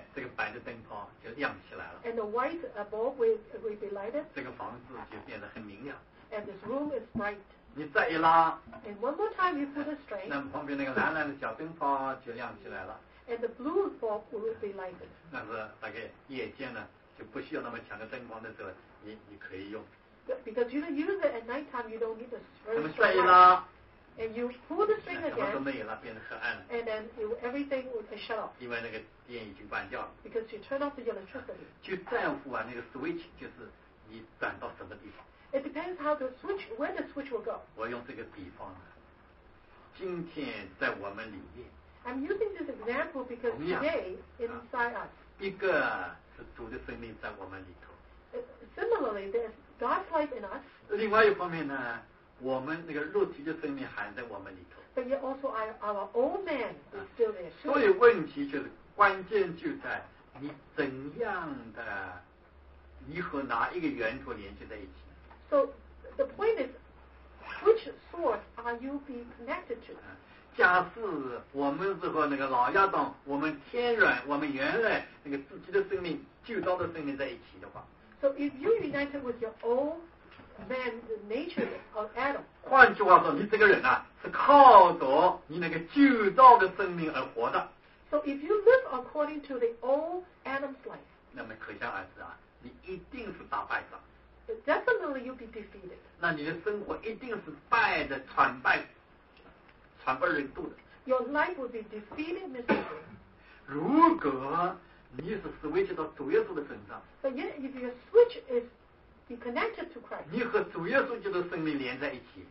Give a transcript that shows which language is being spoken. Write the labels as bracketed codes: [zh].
[zh] 这个白的灯泡就亮起来了。 [en] And the white bulb will be lighted. [zh] 这个房子就变得很明亮。 [en] And this room is bright. [zh] 你再一拉。 [en] And one more time you pull the string. [zh] 那么旁边那个蓝蓝的小灯泡就亮起来了。 [en] And the blue bulb will be lighted. [zh] 那是大概夜间呢。就不需要那么强的灯光的时候，你可以用。 [en] Because you don't use it at night time, you don't need the string. [zh] 那么再一拉 [en] ，and you pull the string again. [zh] 然后那一拉变得很暗了。 [en] And then everything would shut off. [zh] 因为那个电已经关掉了。 [en] Because you turn off the electricity. [zh] 就在乎啊，那个 switch 就是你转到什么地方。 [en] It depends how the switch, where the switch will go. [zh] 我用这个比方，今天在我们里面。 [en] I'm using this example because today inside us. [zh] 一个。是主的生命在我们里头。 [en] Similarly, there's God's life in us. [zh] 另外一方面呢，我们那个肉体的生命还在我们里头。 [en] But yet also our old man is still there. [zh] 所以问题就是，关键就在你怎样的，你和哪一个源头连接在一起。 [en] So the point is, which source are you being connected to? [zh] 假设我们是和那个老亚当，我们天然，我们原来那个自己的生命、旧造的生命在一起的话 [en] ，So if you united with your old man the nature of Adam， [zh] 换句话说，你这个人啊，是靠着你那个旧造的生命而活的。 [en] So if you live according to the old Adam's life， [zh] 那么可想而知啊，你一定是打败仗。 [en] Definitely you'll be defeated。 [zh] 那你的生活一定是败的，惨败。传不人度的 [en] your life would be defeated miserably. [zh] 如果你是 switch 到主耶稣的身上， [en] but yet if your switch is be connected to Christ, [zh] 你和主耶稣基督的生命连在一起，